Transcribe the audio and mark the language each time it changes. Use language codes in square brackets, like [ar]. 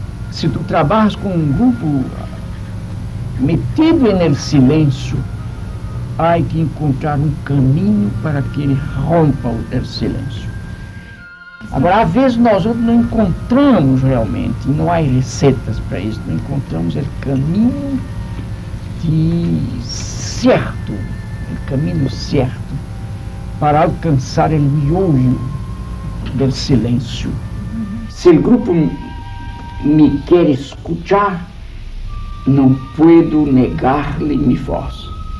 [es] Si tú trabajas con un grupo metido en el silencio, hay que encontrar un camino para que él rompa el silencio. [pt] Agora, às vezes, nós outros não encontramos realmente, não há receitas para isso, não encontramos o caminho certo, [es] el camino cierto para alcanzar el meollo del silencio. Si el grupo me quiere escuchar, no puedo negarle mi voz.